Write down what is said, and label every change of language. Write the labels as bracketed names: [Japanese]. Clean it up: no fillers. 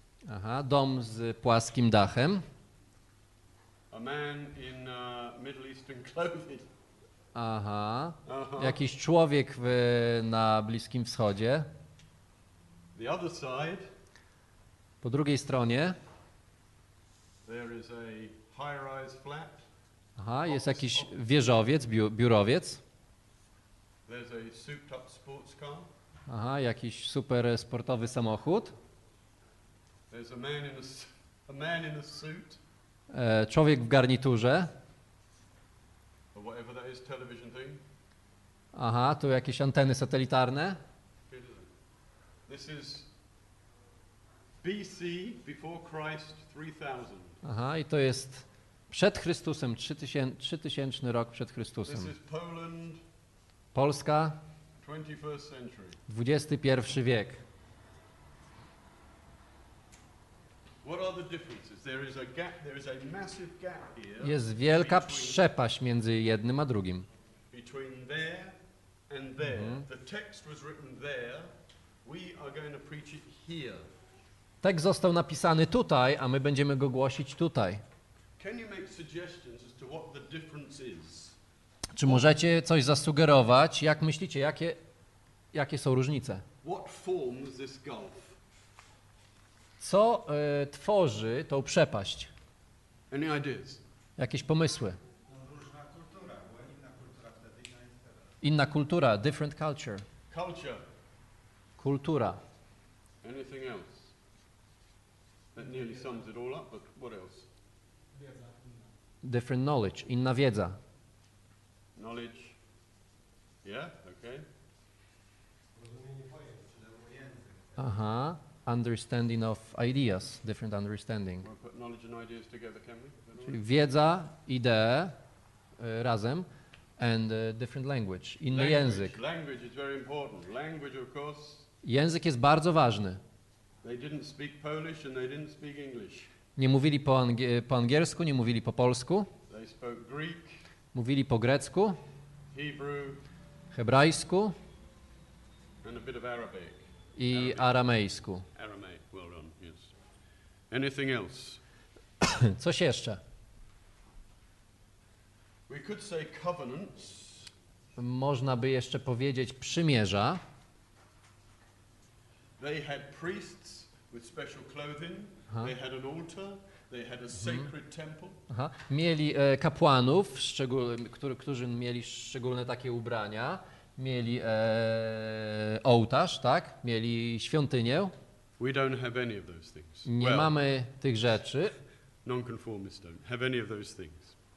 [Polish] Aha, dom z płaskim dachem. [English] A man in, Middle Eastern clothing. Aha. [Polish] Jakiś człowiek na Bliskim Wschodzie. [English] The other side. [Polish] Po drugiej stronie. [English] There is a high-rise flat. [Polish] Aha, jest jakiś wieżowiec, biurowiec. [English] There's a souped-up sports car. [Polish] Aha, jakiś super sportowy samochód. [English] There's a man in a man in a suit. [Polish] Człowiek w garniturze. [English] Or whatever that is, television thing. [Polish] Aha, tu jakieś anteny satelitarne. [English] This is BC before Christ 3000. [Polish] Aha, i to jest przed Chrystusem, 3000 rok przed Chrystusem. [English] This is Poland. [Polish] Polska. [English] 21st century. [Polish] 21 wiek. [English] What are the differences? There is a gap, there is a massive gap here. [Polish] Jest wielka przepaść między jednym a drugim. [English] Between there and there. The text was written there. We are going to preach it here. [Polish] Tekst został napisany tutaj, a my będziemy go głosić tutaj. [English] Can you make suggestions as to what the difference is? [Polish] Czy możecie coś zasugerować? Jak myślicie, jakie są różnice? [English] What forms this gulf? [Polish] Co tworzy tą przepaść? [English] Any ideas? [Polish] Jakieś pomysły? Różna kultura, bo inna kultura wtedy, inna jest teraz. Inna kultura, [English] different culture. Culture. [Polish] Kultura. [English] Anything else? That nearly sums it all up, but what else? [Polish] Wiedza. [English] Different knowledge, [Polish] inna wiedza. [English] Knowledge. Yeah, okay. [Polish] Rozumienie pojęć, lewo język. Aha. [English] Understanding of ideas, different understanding. We'll put knowledge and ideas together, can we? [Polish] Czyli wiedza, idee razem [English] and different language, [Polish] inny [English] language. [Polish] Język. [English] Language is very important. Language, of course. [Polish] Język jest bardzo ważny. [English] They didn't speak Polish and they didn't speak English. [Polish] Nie mówili po angielsku, nie mówili po polsku. [English] They spoke Greek. [Polish] Mówili po grecku. [English] Hebrew. [Polish] Hebrajsku. [English] And a bit of Arabic. [Polish] I aramejsku. [English] Aramaic, well done, yes. Anything else? [Polish] Coś jeszcze? [English] We could say covenants. [Polish] Można by jeszcze powiedzieć przymierza. [English] They had priests with special clothing. Aha. They had an altar. They had a sacred temple. Aha. [Polish] Mieli kapłanów, którzy mieli szczególne takie ubrania. Mieli ołtarz, tak? Mieli świątynię. [English] We don't have any of those things. [Polish] Nie [English] well, [Polish] mamy tych rzeczy. [English] Non-conformists don't have any of those things.